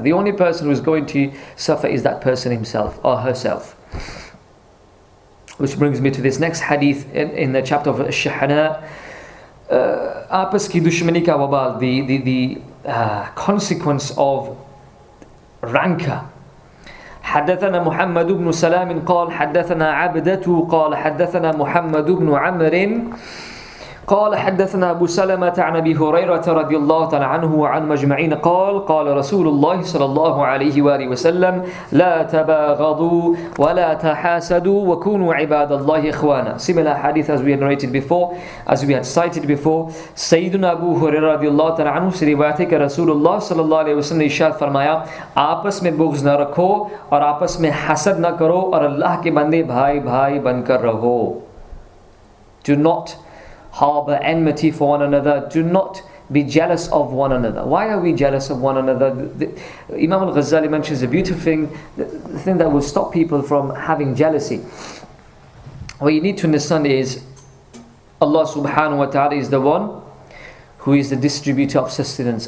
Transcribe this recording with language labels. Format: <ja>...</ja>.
<en>The only person who's going to suffer is that person himself or herself. Which brings me to this next hadith in the chapter of Shahana.</en> <ur>Apas ki dushmani ka wabal,</ur> <en>the consequence of</en> <ur>رانكه.</ur> <ar>حدثنا محمد بن سلام قال حدثنا عبدة قال حدثنا محمد بن عمرو قال حدثنا ابو سلمة عن ابي هريرة رضي الله تعالى عنه وعن مجمعين قال قال رسول الله صلى الله عليه واله وسلم لا تباغضوا ولا تحاسدوا وكونوا عباد الله اخوانا.</ar> <en>Similar hadith as we had narrated before, as we had cited before.</en> <ur>سيدنا ابو هريرة رضي الله تعالى عنه سے روایت ہے کہ رسول اللہ صلی اللہ علیہ وسلم نے ارشاد فرمایا, آپس میں بغض نہ رکھو اور آپس میں حسد نہ کرو اور اللہ کے بندے بھائی بھائی بن کر رہو.</ur> <en>Do not harbor enmity for one another. Do not be jealous of one another. Why are we jealous of one another? Imam Al-Ghazali mentions a beautiful thing, the thing that will stop people from having jealousy. What you need to understand is Allah subhanahu wa ta'ala is the one who is the distributor of sustenance.</en>